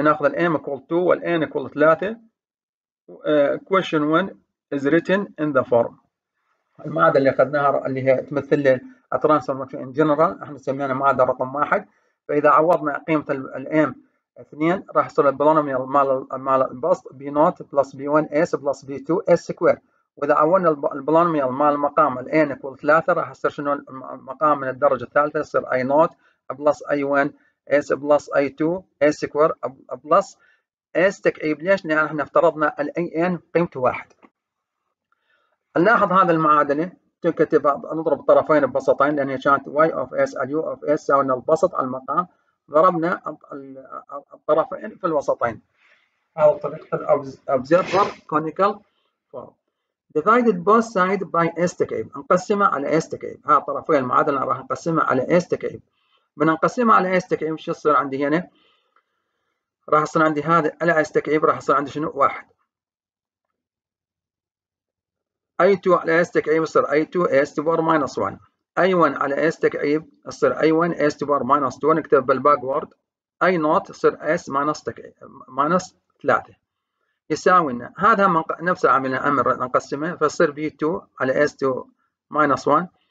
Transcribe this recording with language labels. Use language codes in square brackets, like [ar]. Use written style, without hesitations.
[ar] نأخذ الـ [en] m equal 2 والـ n equal 3. Question 1 is written in the form. [ar] المعادلة اللي أخذناها اللي هي تمثل لي الترانسفير فانكشن ان جنرال احنا سميناها معادله رقم واحد. فاذا عوضنا قيمه الام 2 راح يصير البولونوميال مال البسط بي نوت بلس بي 1 اس بلس بي 2 اس سكوير. واذا عوضنا البولونوميال مال المقام الان اكول 3 راح يصير شنو المقام من الدرجه الثالثه يصير اي نوت بلس اي 1 اس بلس اي 2 اس سكوير بلس اس تكعيب. ليش؟ لان احنا افترضنا الاي ان قيمته واحد. نلاحظ هذه المعادله تنكتب نضرب الطرفين ببسطين لان هي كانت y of s على u of s ساوي البسط على المقام ضربنا الطرفين في الوسطين. هذا طريقة الأوبزرفر كونيكال فورم. [en] Divided both sides by S-cape. [ar] نقسمها على S-cape. ها طرفي المعادلة راح نقسمها على S-cape. بنقسمها على S-cape شو يصير عندي هنا؟ راح يصير عندي هذا على S-cape راح يصير عندي شنو؟ واحد. أي 2 على S-cape يصير أي 2 S to power minus 1. أي 1 على S-cape يصير أي 1 S to power minus 2 نكتب بالباكورد. أي نوت يصير S minus 3. يساوي لنا هذا نفس عملنا امر نقسمه فصير بي 2 على اس 2 ماينس 1.